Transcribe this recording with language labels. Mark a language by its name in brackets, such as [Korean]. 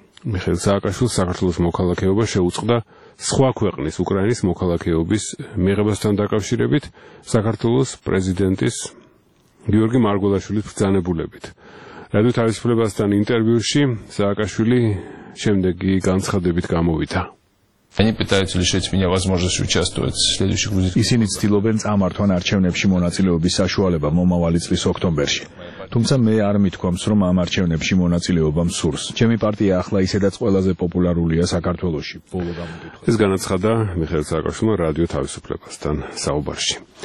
[Georgian] მიხეილ სააკაშვილს საქართველოს მოქალაქეობა შეუწყდა სხვა ქვეყნის უკრაინის მოქალაქეობის მიღებასთან დაკავშირებით საქართველოს პრეზიდენტის გიორგი მარგველაშვილის ბრძანებულებით. რადიო თავისუფლებასთან ინტერვიუში სააკაშვილი შემდეგი განცხადებით გამოვიდა. [Russian] Они пытаются лишить меня возможности участвовать в следующих выборах. [Georgian] Исини стилобен цамართვან არჩევნებში მონაწილეობის საშუალება მომავალი წლის ოქტომბერში. თუმცა მე არ მითქვამს, რომ ამ არჩევნებში მონაწილეობა მსურს. ჩემი პარტია ახლა ისედაც ყველაზე პოპულარულია საქართველოში. ბოლო გამოკითხვა. ეს განაცხადა მიხეილ სააკაშვილმა რადიო თავისუფლებასთან საუბარში.